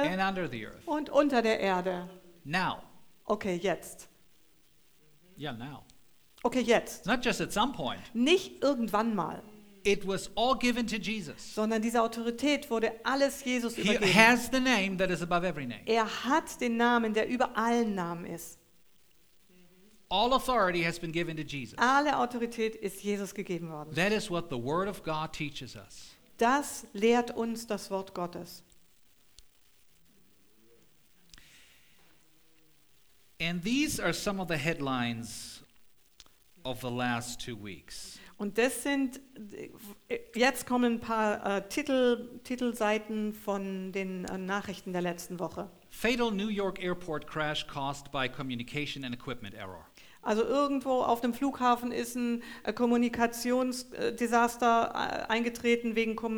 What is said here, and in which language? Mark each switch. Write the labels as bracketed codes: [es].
[en] And under the earth. [de] Und unter der Erde. [en] Now. [de] Okay, jetzt. [en] Yeah, now. [de] Okay, jetzt. [en] Not just at some point. [de] Nicht irgendwann mal. [en] It was all given to Jesus. [de] Sondern diese Autorität wurde alles Jesus [en] he [de] übergeben. [en] He has the name that is above every name. [de] Er hat den Namen, der über allen Namen ist. [en] All authority has been given to Jesus. [de] Alle Autorität ist Jesus gegeben worden. [en] That is what the Word of God teaches us. [de] Das lehrt uns das Wort Gottes. [en] And these are some of the headlines of the last 2 weeks. [de] Und das sind, jetzt kommen ein paar Titelseiten von den Nachrichten der letzten Woche. [en] Fatal New York Airport crash caused by communication and equipment error. [de] Also irgendwo auf dem Flughafen ist ein Kommunikationsdesaster eingetreten wegen